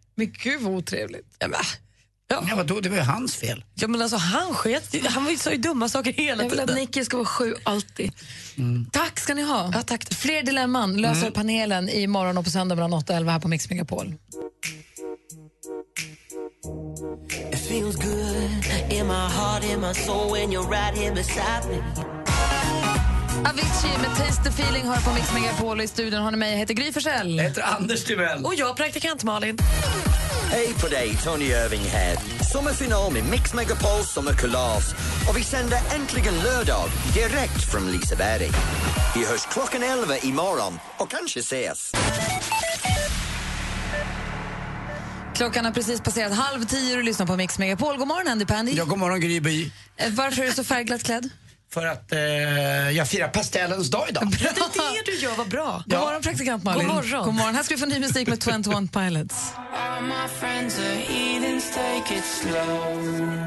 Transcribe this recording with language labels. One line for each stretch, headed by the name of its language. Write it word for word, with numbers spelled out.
Swedish: Men gud vad otrevligt. Ja, men, ja. Ja, vadå, det var ju hans fel. Ja, men alltså han sket, han sa ju dumma saker hela jag tiden. Jag vill att Nicky ska vara sju alltid. Mm. Tack ska ni ha. Ja, tack. Fler dilemman löser mm. panelen imorgon och på söndag mellan åtta och elva här på Mix Megapol.
English: It feels good in my heart, in my soul when you're right here beside me.
Swedish: Avicii med Taste the Feeling hör på Mix Megapol. I studion har ni mig, jag heter Gry Forssell. Jag heter Anders Timell. Och jag, praktikant Malin. Hej på dig, Tony Irving här. Sommarfinal med Mix Megapol sommarkalas. Och vi sänder äntligen lördag direkt från Liseberg. Vi hörs klockan elva imorgon och kanske ses. Klockan har precis passerat halv tio och lyssnar på Mix Megapol. God morgon, Andy Pandy. Ja, god morgon, Gry By. Varför är du så färgglatt klädd? För att eh, jag firar pastellens dag idag. Det är det du gör, vad bra. God morgon, praktikant Malin. God morgon. God morgon. Här ska vi få ny musik med twenty-one Pilots.
English: All my friends are heathens, take it slow.